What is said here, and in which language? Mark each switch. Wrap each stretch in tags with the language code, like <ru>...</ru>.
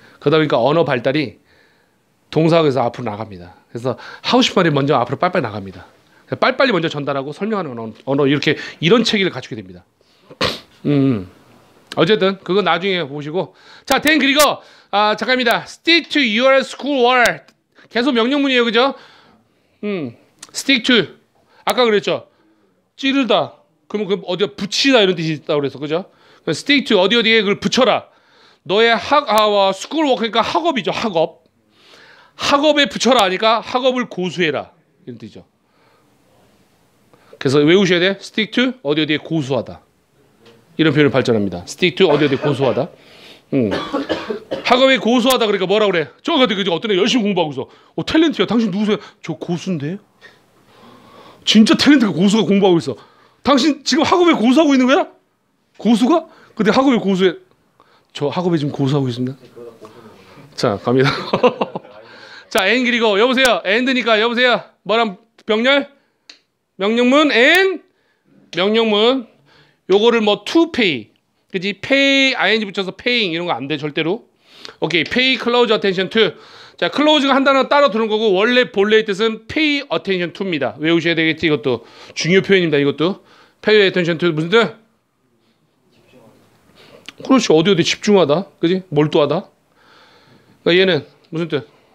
<ko>그러다 보니까 언어 발달이 동사에서 앞으로 나갑니다. 그래서 하고 싶은 말이 먼저 앞으로 빨리빨리 나갑니다. 빨리빨리 먼저 전달하고 설명하는 언어 이렇게 이런 체계를 갖추게 됩니다. 어쨌든 그거 나중에 보시고. 자, 댄 그리고 아, 잠깐입니다.</ko> <en>Stick to your school word.</en> <ko>계속 명령문이에요, 그죠?</ko> <en>Stick to.</en> <ko>아까 그랬죠? 찌르다. 그러면 그 어디에 붙이다 이런 뜻이 있다고 그랬어, 그죠?</ko> <en>Stick to</en> <ko>어디 어디에 그걸 붙여라. 너의</ko> <en>school work</en> <ko>그러니까 학업이죠, 학업. 학업에 붙여라 하니까 학업을 고수해라 이런 뜻이죠. 그래서 외우셔야 돼.</ko> <en>Stick to</en> <ko>어디 어디에 고수하다. 이런 표현을 발전합니다.</ko> <en>Stick to</en> <ko>어디 어디에 고수하다. 학업에 고수하다 그러니까 뭐라 그래? 저한테 그 어떤 애 열심히 공부하고서 어 탤런트야. 당신 누구세요? 저 고수인데. 진짜 탤런트가 고수가 공부하고 있어. 당신 지금 학업에 고수하고 있는 거야? 고수가? 근데 학업에 고수해. 저 학업에 지금 고수하고 있습니다. 자, 갑니다. 자, 앤 그리고 여보세요. 앤드니까 여보세요. 뭐랑 병렬? 명령문 앤 명령문 요거를 뭐</ko> <en>to pay</en> <ko>그지 pay ing 붙여서 paying 이런 거 안 돼 절대로.</ko> <en>오케이, pay close attention to.</en> <ko>자, close가 한 단어 따로 들은 거고 원래 본래의 뜻은</ko> <en>pay attention to</en> <ko>입니다. 외우셔야 되겠지. 이것도 중요 표현입니다. 이것도</ko> <en>pay attention to</en> <ko>무슨 뜻? 그렇지, 어디 어디 집중하다, 그지? 몰두하다. 그러니까 얘는 무슨 뜻?</ko>